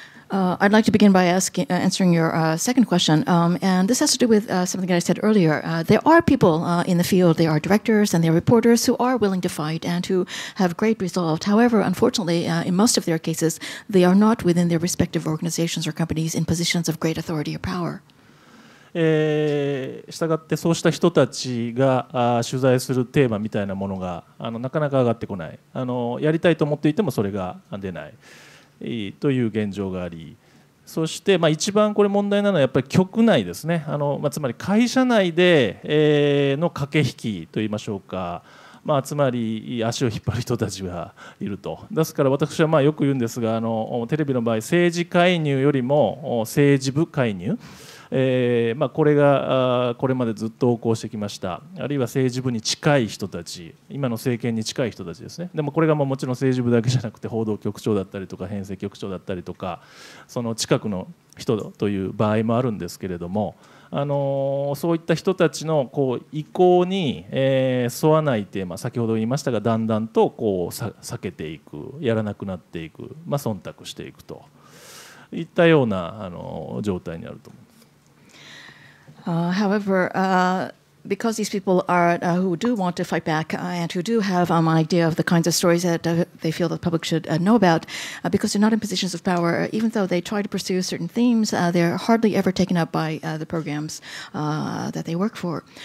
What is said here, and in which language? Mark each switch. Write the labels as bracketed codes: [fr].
[en] I'd like to begin by answering your second question. And this has to do with something that I said earlier. There are people in the field, there are directors and there are reporters who are willing to fight and who have great resolve. However, unfortunately, in most of their cases, they are not within their respective organizations or companies in positions of great authority or power. [ja] したがってそうした人たちが取材するテーマみたいなものがなかなか上がってこない。やりたいと思っていてもそれが出ない。という現状があり、そしてまあ一番これ問題なのはやっぱり局内ですね、つまり会社内での駆け引きといいましょうか、まあ、つまり足を引っ張る人たちがいると。ですから私はまあよく言うんですが、テレビの場合政治介入よりも政治部介入、まあこれがこれまでずっと横行してきました。あるいは政治部に近い人たち、今の政権に近い人たちですね。でもこれがまあもちろん政治部だけじゃなくて報道局長だったりとか編成局長だったりとか、その近くの人という場合もあるんですけれども、そういった人たちのこう意向に沿わないテーマ、先ほど言いましたがだんだんとこう避けていく、やらなくなっていく、まあ忖度していくといったような状態にあると思います。 [en] However, because these people are who do want to fight back and who do have an idea of the kinds of stories that they feel the public should know about, because they're not in positions of power, even though they try to pursue certain themes, they're hardly ever taken up by the programs that they work for.